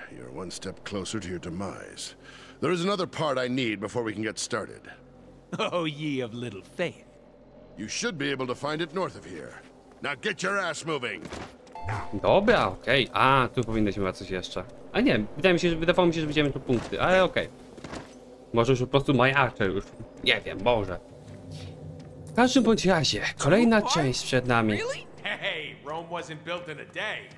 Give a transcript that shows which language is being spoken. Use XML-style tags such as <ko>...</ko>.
<en>You're one step closer to your demise. There is another part I need before we can get started. Oh, ye of little faith. You should be able to find it north of here. Now get your ass moving.</en> <pl>Dobra, okej. Okay. A, tu powinniśmy mieć coś jeszcze. A nie, wydawało mi się, że będziemy tu punkty, ale okej. Okay. Może już po prostu majaczę już. Nie wiem, może. W każdym bądź razie, kolejna część przed nami.</pl> <en>Hey, Rome wasn't built in a day.</en>